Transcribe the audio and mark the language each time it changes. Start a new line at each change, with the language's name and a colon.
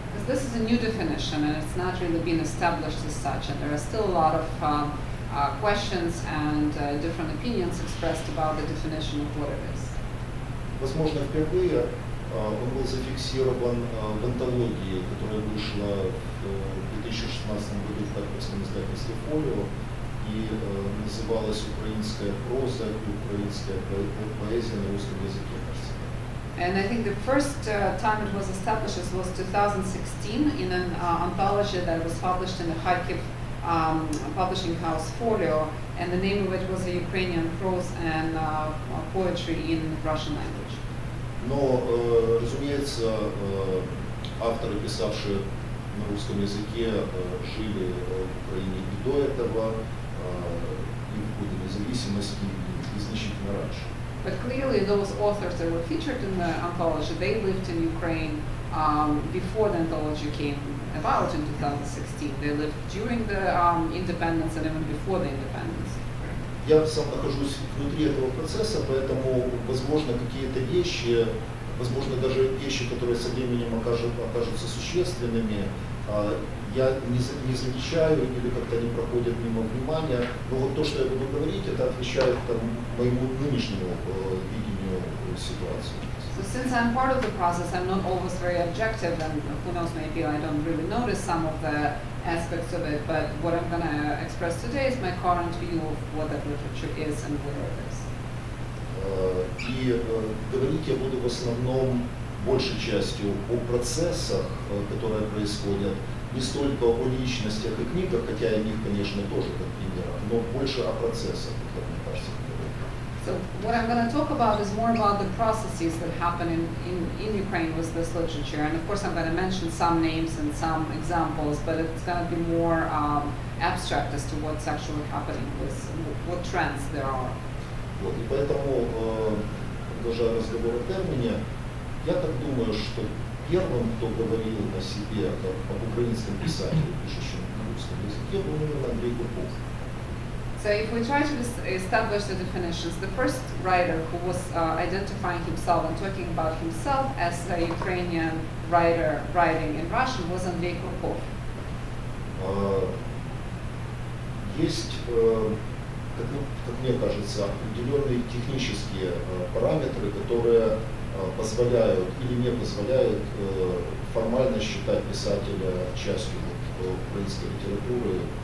English: This is a new definition, and it's not really been established as such, and there are still a lot of questions and different opinions expressed about the definition of what it is.
Russian: Возможно, впервые он был зафиксирован в антологии, которая вышла в 2016 году в издательстве «Фолио»,
Ukrainian: і називалась українська проза і українська поезія
Russian: на русском языке.
English: And I think the first time it was established was 2016 in an anthology that was published in the Kharkiv publishing house Folio, and the name of it was a Ukrainian prose and poetry in Russian language.
Russian: Но, разумеется, авторы, писавшие на русском языке, жили в Украине и до этого, и в годы независимости, и значительно раньше.
English: But clearly those authors that were featured in the anthology, they lived in Ukraine before the anthology came about in 2016. They lived during the independence and even before the independence.
Russian: Я сам нахожусь внутри этого процесса, поэтому, возможно, какие-то вещи, возможно, даже вещи, которые со временем окажутся существенными, я не замечаю или как-то не проходят мимо внимания. Но вот то, что я буду говорить, это отвечает там, моему нынешнему видению ситуации.
English: So since I'm part of the process, I'm not always very objective, and who knows, maybe I don't really notice some of the aspects of it, but what I'm going to express today is my current view of what that literature is and where it is.
Russian: И говорить я буду в основном, большей частью, о процессах, которые происходят, не столько о личностях и книгах, хотя и о них, конечно, тоже как примерах, но больше о процессах, как мне кажется.
English: So what I'm going to talk about is more about the processes that happen in Ukraine with this literature. And of course I'm going to mention some names and some examples, but it's going to be more abstract as to what's actually happening with what trends there are.
Russian: Вот, и поэтому, продолжая разговор о термине, я так думаю, что первым, кто говорил о себе об украинском писателе, пишущем на русском языке, был именно Андрей Гурков.
English: So if we try to establish the definitions, the first writer who was identifying himself and talking about himself as a Ukrainian writer writing in Russian was Andrei Kurkov.
Russian: Есть, как мне кажется, определенные технические параметры, которые позволяют или не позволяют формально считать писателя частью украинской литературы.